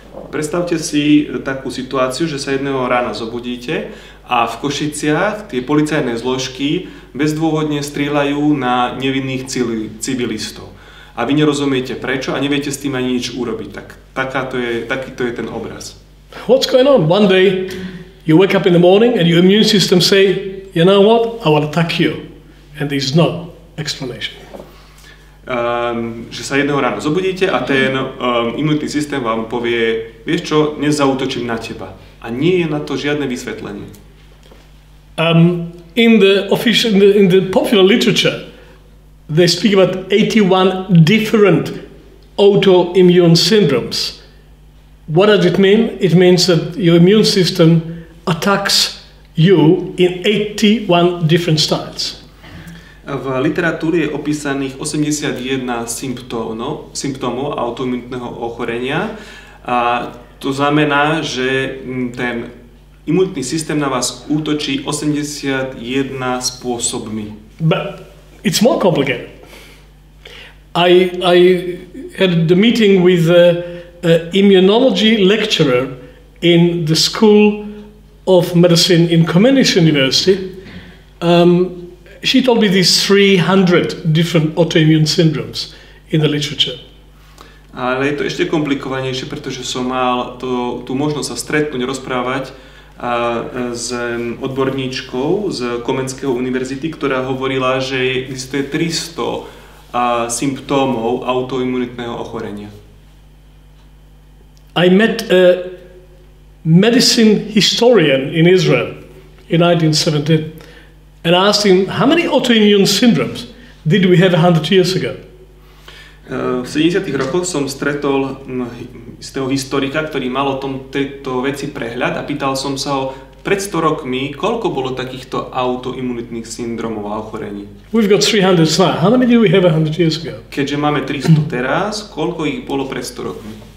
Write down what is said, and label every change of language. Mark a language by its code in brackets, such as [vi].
[sk] Predstavte si takú situáciu, že sa jedného rána zobudíte A v Košiciach tie policajné zložky bezdôvodne strieľajú na nevinných civilistov. A vy nerozumiete prečo a neviete s tým ani nič urobiť. Tak takýto je ten obraz. [en] What's going on? One day you wake up in the morning and your immune system say, you know what, I will attack you. And there's no explanation. [sk] Že sa jedného ráno zobudíte a ten imunitný systém vám povie, vieš čo, dnes zaútočím na teba. A nie je na to žiadne vysvetlenie. [en] In the popular literature, they speak about 81 different autoimmune syndromes. What does it mean? It means that your immune system attacks you in 81 different styles. [sk] V literatúre je opísaných 81 symptómov autoimmunitného ochorenia. A to znamená, že ten imunitný systém na vás útočí 81 spôsobmi. [en] But it's more complicated. I had a meeting with an immunology lecturer in the School of Medicine in Comenius University. She told me these 300 different autoimmune syndromes in the literature. [sk] Ale je to ešte komplikovanejšie, pretože som mal tú možnosť sa stretnúť, rozprávať s odborníčkou z Komenského univerzity, ktorá hovorila, že existuje 300 symptómov autoimmunitného ochorenia. [en] I met a medicine historian in Israel in 1970. And I asked him, how many autoimmune syndromes did we have 100 years ago? [sk] V 70-tych rokoch som stretol istého historika, ktorý mal o tejto veci prehľad a pýtal som sa ho pred 100 rokmi, koľko bolo takýchto autoimmunitných syndromov a ochorení. [en] We've got 300 now. How many did we have 100 years ago? [sk] Keďže máme 300 teraz, koľko ich bolo pred 100 rokmi?